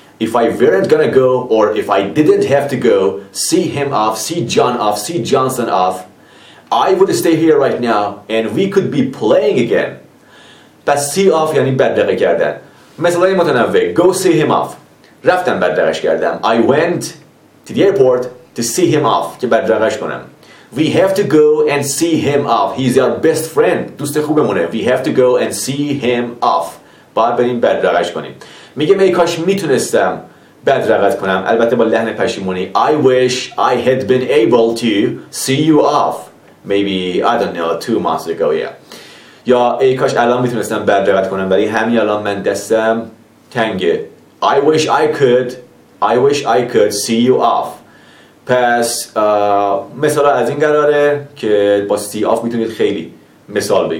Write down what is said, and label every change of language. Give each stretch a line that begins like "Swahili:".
English: If I weren't gonna go or if I didn't have to go see him off, see John off, see Johnson off, I would stay here right now and we could be playing again.
Persian: پس see off یعنی بدرقه کردن. مثلا این متنوع،
English: go see him off،
Persian: رفتم بدرقش کردم.
English: I went to the airport to see him off،
Persian: که بدرقش کنم.
English: We have to go and see him off. He's our best friend.
Persian: دوست خوبمونه.
English: We have to go and see him off.
Persian: باید بریم بدرقش کنیم. میگم ای کاش میتونستم بدرقت کنم، البته با لحن پشیمونی.
English: I wish I had been able to see you off. Maybe, I don't know, 2 months ago, yeah.
Persian: یا ای کاش الان میتونستم بدرقت کنم، ولی همین الان من دستم تنگه.
English: I wish I could see you off.
Persian: پس مثال از این قراره که با see off میتونید خیلی مثال بگید.